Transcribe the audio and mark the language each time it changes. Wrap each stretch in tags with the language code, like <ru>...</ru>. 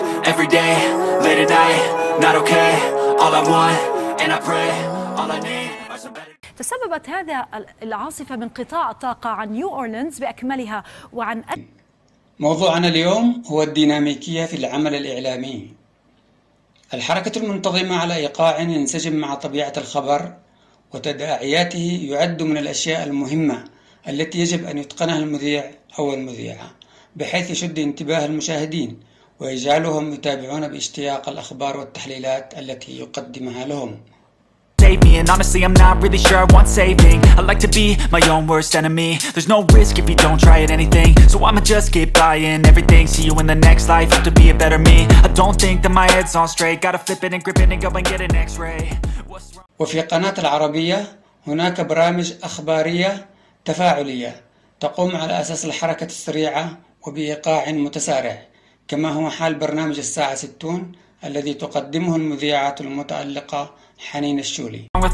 <en>every day, late at night, not okay. All I want, and I pray, all I need.</en> <ar>تسببت هذا العاصفة بانقطاع طاقة عن نيو أورلينز بأكملها وعن موضوعنا اليوم هو الديناميكية في العمل الإعلامي. الحركة المنتظمة على إيقاع ينسجم مع طبيعة الخبر وتداعياته يعد من الأشياء المهمة التي يجب أن يتقنها المذيع أو المذيعة، بحيث يشد انتباه المشاهدين ويجعلهم يتابعون باشتياق الأخبار والتحليلات التي يقدمها لهم.</ar> <en>And honestly, I'm not really sure I want saving. I like to be my own worst enemy. There's no risk if you don't try at anything. So I'ma just keep buying everything. See you in the next life. Have to be a better me. I don't think that my head's on straight. Gotta flip it and grip it and go and get an X-ray.</en> <ar>وفي قناة العربية هناك برامج أخبارية تفاعلية تقوم على أساس الحركة السريعة وبإيقاع متسارع، كما هو حال برنامج الساعة 60 الذي تقدمه المذيعة المتألقة حنين الشولي.</ar>